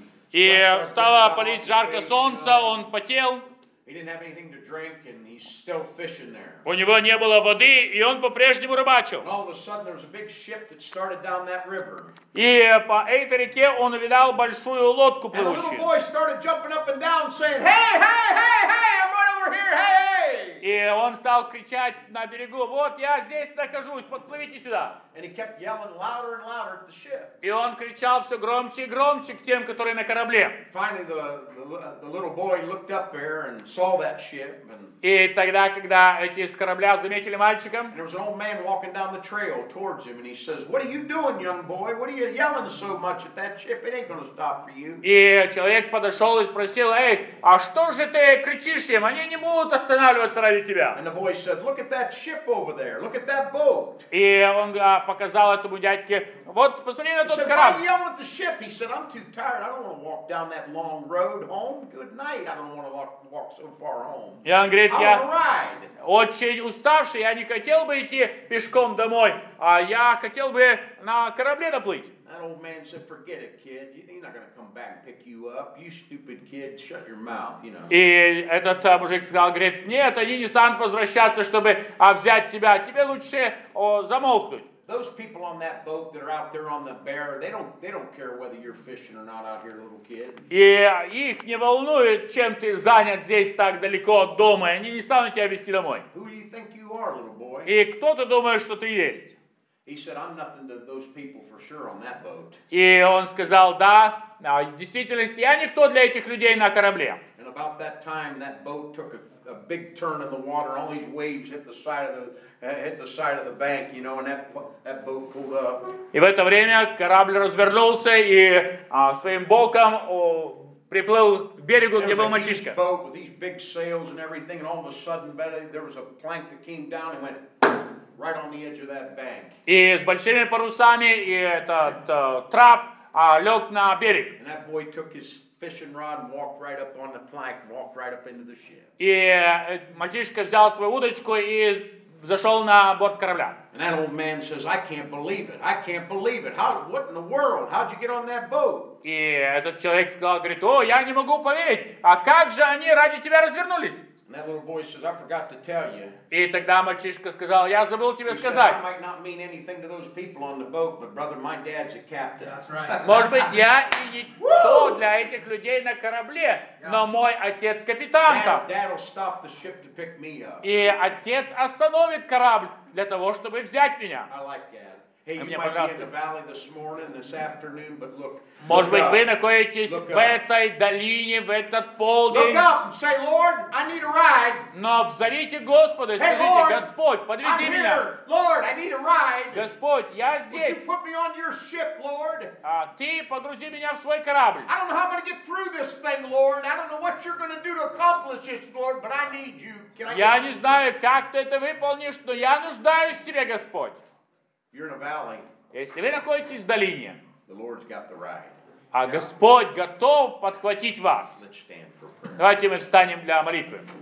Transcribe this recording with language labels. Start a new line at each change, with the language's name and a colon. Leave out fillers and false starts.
Russian: И стало палить жарко солнце, он потел.
English: He didn't have anything to drink, and he's still fishing there.
Russian: У него не было воды, и он по-прежнему рыбачил.
English: All of a sudden, there was a big ship that started down that river.
Russian: И по этой реке он увидал большую лодку плывущую.
English: And the little boy started jumping up and down, saying, "Hey, hey, hey, hey! I'm right over here, hey!"
Russian: И он стал кричать на берегу, вот я здесь нахожусь, подплывите сюда.
English: And he kept yelling louder and louder at the ship.
Russian: И он кричал все громче и громче к тем, которые на корабле.
English: Finally, the little boy looked up there and saw that ship. And...
Russian: И тогда, когда эти с корабля заметили мальчика,
English: and there was an old man walking down the trail towards him, and he says, "What are you doing, young boy? What are you yelling so much at that ship? It ain't gonna stop for you."
Russian: И человек подошел и спросил, эй, а что же ты кричишь им? Они не будут останавливаться.
English: And the boy said, "Look at that ship over there. Look at that boat."
Russian: И он показал этому дядьке, вот посмотри на тот корабль.
English: He said, "Why are you yelling at the ship?" He said, "I'm too tired. I don't want to walk down that long road home. Good night. I don't want to walk so far home."
Russian: И он говорит, я
English: ride.
Russian: Очень уставший. Я не хотел бы идти пешком домой, а я хотел бы на корабле доплыть.
English: That old man said, "Forget it, kid. You're not gonna come back and pick you up. You stupid kid. Shut your mouth, you know."
Russian: И этот мужик сказал, говорит, нет, они не станут возвращаться, чтобы взять тебя. Тебе лучше замолкнуть.
English: Those people on that boat that are out there on the bear, they don't care whether you're fishing or not out here, little kid.
Russian: И их не волнует, чем ты занят здесь так далеко от дома. Они не станут тебя вести домой.
English: Who do you think you are, little boy?
Russian: И кто ты думаешь, что ты есть?
English: He said, "I'm nothing to those people for sure on that boat."
Russian: И он сказал, да, в действительности я никто для этих людей на корабле.
English: And about that time, that boat took a big turn in the water. All these waves hit the side of the bank, you know, and that boat pulled up.
Russian: И в это время корабль развернулся и своим боком приплыл к берегу, где был мальчишка.
English: There was a huge boat with these big sails and everything, and all of a sudden, there was a plank that came down and went. Right on the edge of that bank.
Russian: И с большими парусами, и этот трап лёд на берег.
English: And that boy took his fishing rod and walked right up on the plank, walked right up into the ship.
Russian: И мальчишка взял свою удочку и зашёл на борт корабля.
English: And that old man says, I can't believe it. I can't believe it. How, what in the world? How'd you get on that boat?
Russian: И этот человек сказал, говорит, о, я не могу поверить. А как же они ради тебя развернулись?
English: And that little boy says, I forgot to tell you.
Russian: И тогда мальчишка сказал, я забыл тебе сказать.
English: He said, I might not mean anything to those people on the boat, but brother, my dad's a captain. That's right.
Russian: Может быть, я и никто для этих людей на корабле, но мой отец капитан там.
English: Dad'll stop the ship to pick me up.
Russian: И отец остановит корабль для того, чтобы взять меня.
English: I like that. Hey, you might be in the valley this morning, this afternoon, but look.
Russian: Может быть, вы находитесь в этой долине в этот полдень.
English: Look up and say, Lord, I need a ride.
Russian: Но взовите Господа, скажите, Господь, подвези меня.
English: Lord, I need a ride.
Russian: Господь, я здесь.
English: Would you put me on your ship, Lord?
Russian: А ты погрузи меня в свой корабль.
English: I don't know how I'm going to get through this thing, Lord. I don't know what you're going to do to accomplish this, Lord, but I need you.
Russian: Я не знаю, как ты это выполнишь, но я нуждаюсь в тебе, Господь.
English: You're in a valley.
Russian: Если вы находитесь в долине,
English: the Lord's got the ride.
Russian: А Господь готов подхватить вас.
English: Let's stand for prayer.
Russian: Давайте мы встанем для молитвы.